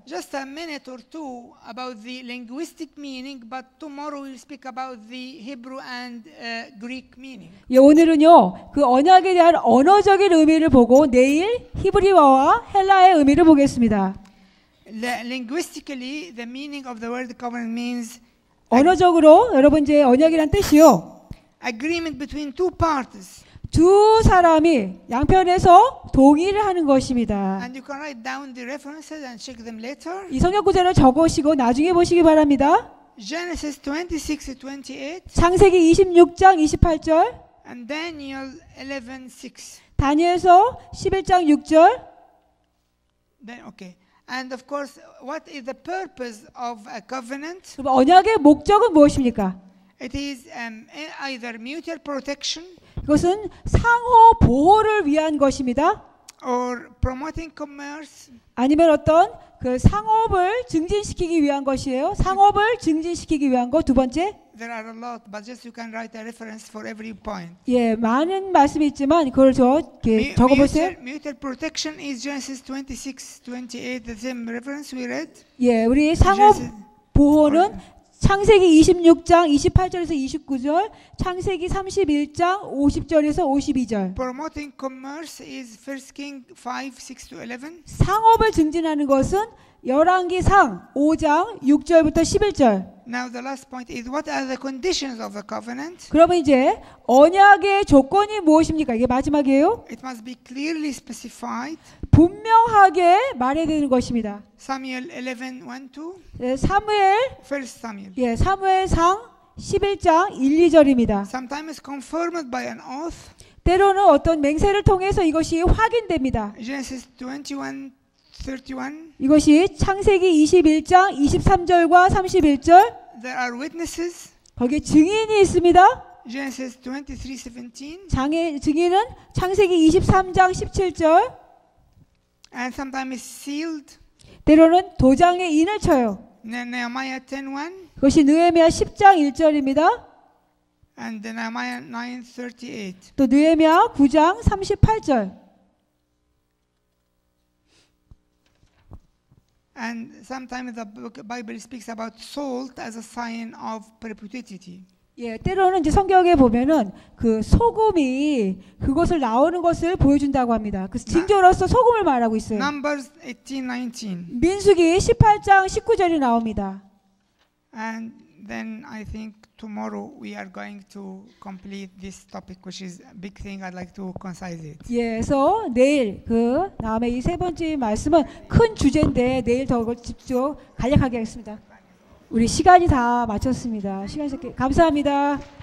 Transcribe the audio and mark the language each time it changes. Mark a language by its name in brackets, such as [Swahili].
[English] Just a minute or two about the linguistic meaning, but tomorrow we'll speak about the Hebrew and Greek meaning. [Korean] 예, 오늘은요, 그 언약에 대한 언어적인 의미를 보고 내일 히브리어와 헬라의 의미를 보겠습니다. [English] Linguistically, the meaning of the word covenant means [Korean] 언어적으로 여러분 이제 언약이란 뜻이요. [English] Agreement between two parties. [Korean] 두 사람이 양편에서 동의를 하는 것입니다. [English] And you can write down the references and check them later. [Korean] 이 성경 구절을 적으시고 나중에 보시기 바랍니다. [English] Genesis 26:28. [Korean] 창세기 26장 28절. [English] And Daniel 11:6. [Korean] 다니엘서 11장 6절. [English] Then okay. And of course, what is the purpose of a covenant? [Korean] 언약의 목적은 무엇입니까? [English] It is either mutual protection. [Korean] 그것은 상호 보호를 위한 것입니다. [English] Or promoting commerce. [Korean] 아니면 어떤 그 상업을 증진시키기 위한 것이에요. 상업을 증진시키기 위한 것 두 번째. [English] There are a lot, but just you can write a reference for every point. [Korean] 예, 많은 말씀이 있지만 그걸 저 이렇게 적어보세요. [English] Mutual protection is Genesis 26:28, the same reference we read. [Korean] 예, 우리 상업 보호는 창세기 26장 28절에서 29절, 창세기 31장 50절에서 52절. [English] Promoting commerce is 1 King 5:6-11. [Korean] 상업을 증진하는 것은 열왕기상 5장 6절부터 11절. [English] Now the last point is what are the conditions of the covenant? [Korean] 그러면 이제 언약의 조건이 무엇입니까? 이게 마지막이에요. [English] It must be clearly specified. [Korean] 분명하게 말해야 되는 것입니다. [English] Samuel 11:1-2. [Korean] 예, 사무엘. [English] First Samuel. [Korean] 예, 사무엘상 11장 1, 2절입니다. [English] Sometimes confirmed by an oath. [Korean] 때로는 어떤 맹세를 통해서 이것이 확인됩니다. [English] Genesis 21:31. [Korean] 이것이 창세기 21장 23절과 31절. [English] There are witnesses. [Korean] 거기에 증인이 있습니다. [English] Genesis 23:17. [Korean] 장애 증인은 창세기 23장 17절. [English] And sometimes sealed. [Korean] 때로는 도장에 인을 쳐요. [English] Nehemiah 10:1. [Korean] 그것이 느헤미야 10장 1절입니다. [English] And Nehemiah 9:38. [Korean] 또 느헤미야 9장 38절. [English] And sometimes the Bible speaks about salt as a sign of perpetuity. [Korean] 예, 때로는 이제 성경에 보면은 그 소금이 그것을 나오는 것을 보여준다고 합니다. 그래서 징조로서 소금을 말하고 있어요. [English] Numbers 18:19. [Korean] 민수기 18장 19절이 나옵니다. [English] And then I think tomorrow we are going to complete this topic, which is a big thing. I'd like to concise it. [Korean] 예, 그래서 내일 그 다음에 이 세 번째 말씀은 큰 주제인데 내일 더 집중 간략하게 하겠습니다. 우리 시간이 다 마쳤습니다. 시간이 적게 감사합니다.